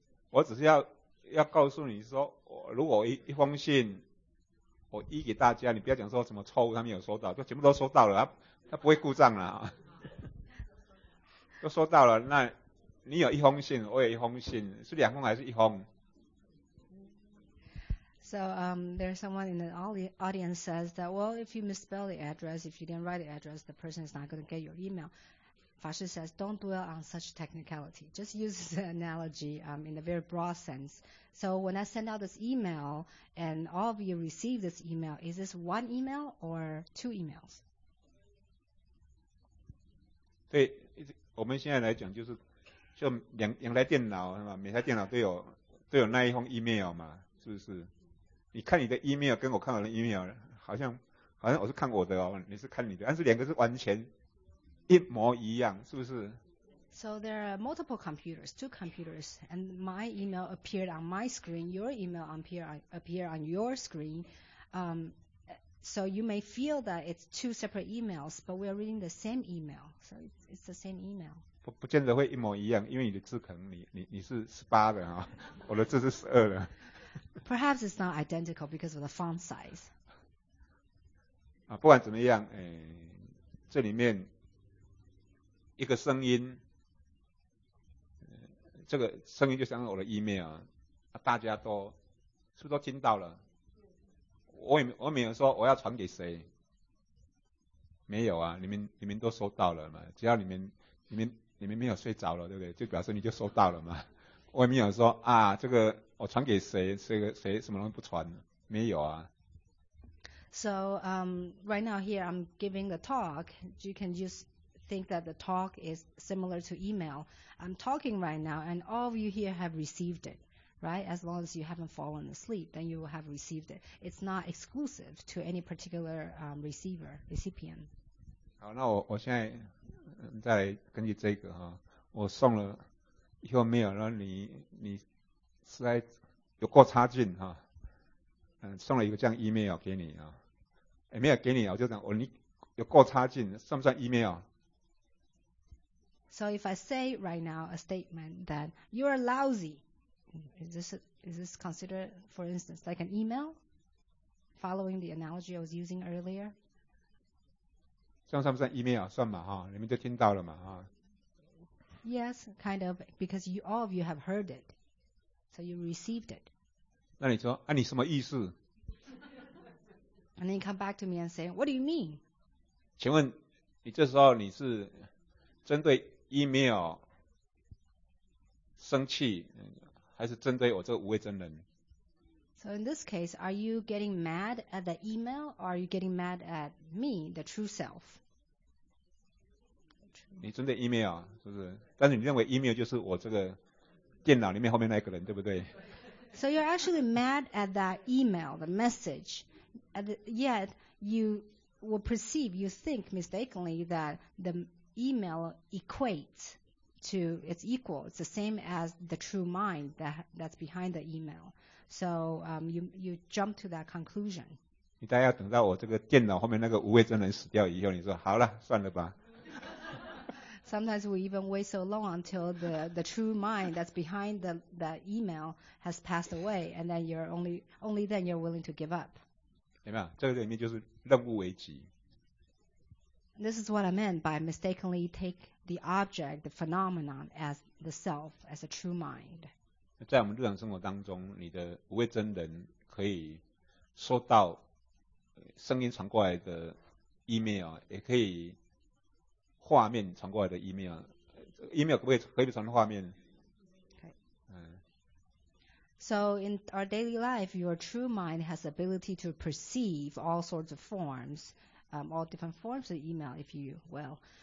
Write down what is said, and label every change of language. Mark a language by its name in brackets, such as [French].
[Chinese] 我只是要告诉你说，我如果一封信我一给大家，你不要讲说什么错误他没有收到，就全部都收到了，他不会故障啦，都收到了。那你有一封信，我有一封信，是两封还是一封？ [English] So, there's someone in the audience says that, well, if you misspell the address, if you didn't write the address, the person is not going to get your email. 法师 says, don't dwell on such technicality. Just use the analogy, in a very broad sense. So when I send out this email, and all of you receive this email, is this one email or two emails? [Chinese] 对，我们现在来讲就是就两台电脑，每台电脑都有那一封 email 嘛，是不是？你看你的 email 跟我看我的 email 好像我是看我的哦，你是看你的，但是两个是完全一模一样，是不是？ [English] So there are multiple computers, two computers, and my email appeared on my screen, your email appear on your screen. So you may feel that it's two separate emails, but we are reading the same email. So it's the same email. [Chinese] 不见得会一模一样，因为你的字可能你是18的啊，我的字是12的。 [English] Perhaps it's not identical because of the font size. [Chinese] 啊，不管怎么样，这里面一个声音，这个声音就像我的 email 啊，大家都是不是都听到了？我没有说我要传给谁，没有啊，你们都收到了嘛，只要你们没有睡着了，对不对？就表示你就收到了嘛。我也没有说啊，这个我传给谁，谁什么人不传，没有啊。 [English] So right now here I'm giving a talk. You can just think that the talk is similar to email. I'm talking right now, and all of you here have received it, right? As long as you haven't fallen asleep, then you will have received it. It's not exclusive to any particular receiver recipient. [Chinese] 好，那我现在再根据这个哈，我送了以后没有，然后你实在有够差劲哈。送了一个这样 email 给你啊，欸，没有给你，我就讲我，哦，你有够差劲，算不算 email？ [English] So if I say right now a statement that you are lousy, is this considered, for instance, like an email? Following the analogy I was using earlier, [Chinese] 算不算 email？算嘛哈，你们就听到了嘛哈。 [English] Yes, kind of, because you all of you have heard it, so you received it. [Chinese] 那你说啊，你什么意思？ [English] And then you come back to me and say, what do you mean? [Chinese] 请问你这时候你是针对 email 生气，还是针对我这个无畏真人？ [English] So in this case, are you getting mad at the email or are you getting mad at me, the true self? [Chinese] 你针对 email 是不是？但是你认为 email 就是我这个电脑里面后面那个人，对不对？ [English] So you're actually mad at that email, the message. Yet you will perceive, you think mistakenly that the email equates to, it's equal, it's the same as the true mind that's behind the email. So you jump to that conclusion. [Chinese] 你大概要等到我这个电脑后面那个无畏真人死掉以后，你说好了，算了吧。 [English] Sometimes we even wait so long until the true mind that's behind the email has passed away, and then you're only then you're willing to give up. [Chinese] 有没有？这个里面就是任务为己。 [English] This is what I meant by mistakenly take the object, the phenomenon as the self, as a true mind. [Chinese] 在我们日常生活当中，你的无畏真人可以收到声音传过来的 email， 也可以画面传过来的 email。 email 可不可以传画面？ [English] So in our daily life, your true mind has the ability to perceive all sorts of forms, all different forms of email, if you will.